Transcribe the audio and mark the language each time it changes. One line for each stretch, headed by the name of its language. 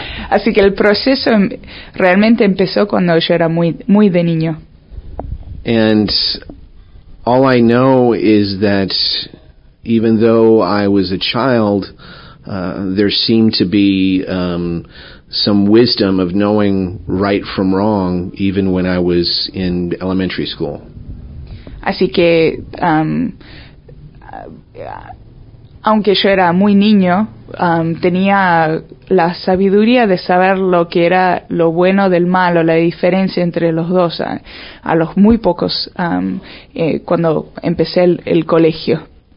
Spanish: Así que el proceso realmente empezó cuando yo era muy, muy de niño.
English: And all I know is that even though I was a child, there seemed to be some wisdom of knowing right from wrong even when I was in elementary school.
Spanish: Así que aunque yo era muy niño, tenía la sabiduría de saber lo que era lo bueno del malo, la diferencia entre los dos, a los muy pocos, cuando empecé el colegio.